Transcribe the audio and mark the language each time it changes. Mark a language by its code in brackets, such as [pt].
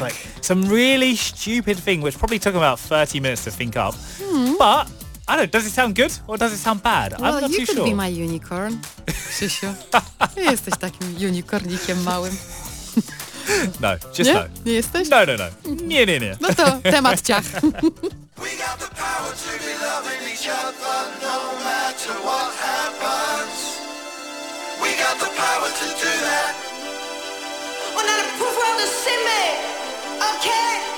[en] Like some really stupid thing which probably took about 30 minutes to think up. Mm. But I don't know, does it sound good or does it sound bad? Well, I'm not too sure. You could be my unicorn, Krzysiu. [pl] Jesteś takim unicornikiem małym. [en] No, just [pl] nie? No. Nie jesteś? No. Nie. No to temat ciach. [en] We got the power to be loving each other no matter what happens. We got the power to do that. Well, now the proof world has seen me, okay?